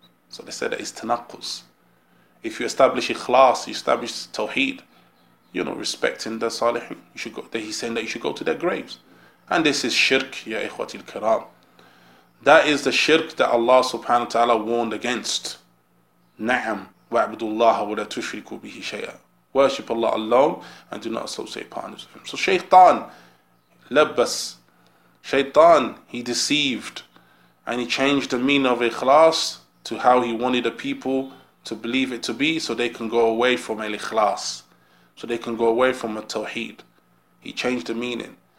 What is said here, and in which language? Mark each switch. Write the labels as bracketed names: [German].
[English] So they said that it's tanakkus. If you establish ikhlas, you establish tawheed, you're not respecting the salihin. You should go, that he's saying that you should go to their graves. And this is shirk, ya ikhwati al-kiram. That is the shirk that Allah subhanahu wa ta'ala warned against. [Arabic] نعم وعبد الله ولا تشركوا به شيئا. [English] Worship Allah alone and do not associate partners with Him. So Shaytan لبس, Shaytan, he deceived and he changed the meaning of ikhlas to how he wanted the people to believe it to be, so they can go away from al-ikhlas, so they can go away from a tawheed. He changed the meaning.